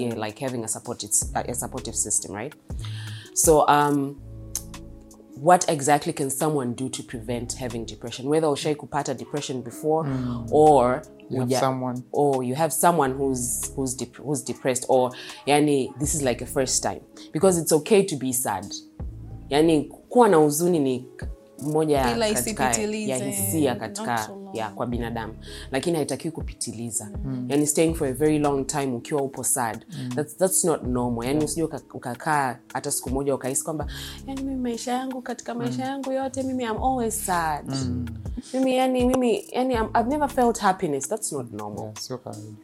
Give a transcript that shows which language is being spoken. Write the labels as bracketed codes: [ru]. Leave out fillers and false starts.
[en] Yeah, like having a supportive system, right? So, what exactly can someone do to prevent having depression? Whether [sw] ushai kupata [en] depression before or you have someone who's depressed, or yani this is like a first time, because it's okay to be sad. [sw] Yani kuwa na huzuni ni moja katika ya hisia katika ya kwa binadamu, lakini haitakiwi kupitiliza. [en] Yani staying for a very long time [sw] ukiwa upo [en] sad, that's not normal. [sw] Yani usije ukakaa hata siku moja ukahisi kwamba yani mimi maisha yangu katika maisha yangu yote mimi [en] I'm always sad. [sw] Mimi [en] I've never felt happiness. That's not normal. [sw] Yeah, sio kawaida.